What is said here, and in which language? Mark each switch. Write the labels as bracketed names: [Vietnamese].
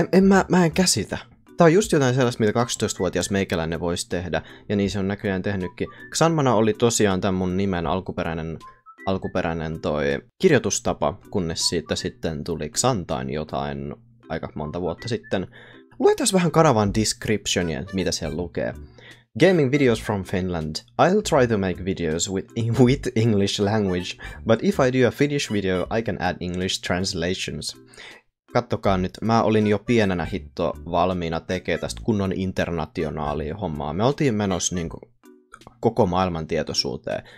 [Finnish] En käsitä. Tää on just jotain sellaista, mitä 12-vuotias meikäläinen voisi tehdä. Ja niin se on näköjään tehnytkin. Xanmana oli tosiaan tämän mun nimen alkuperäinen toi kirjoitustapa, kunnes siitä sitten tuli Xantain jotain aika monta vuotta sitten. Luetaan vähän kanavan descriptionia, mitä siellä lukee. [English] Gaming videos from Finland. I'll try to make videos with English language, but if I do a Finnish video, I can add English translations. [Finnish] Kattokaa nyt, mä olin jo pienenä hitto valmiina tekee tästä kunnon internationaalia hommaa. Me oltiin menossa niinku koko maailman tietoisuuteen.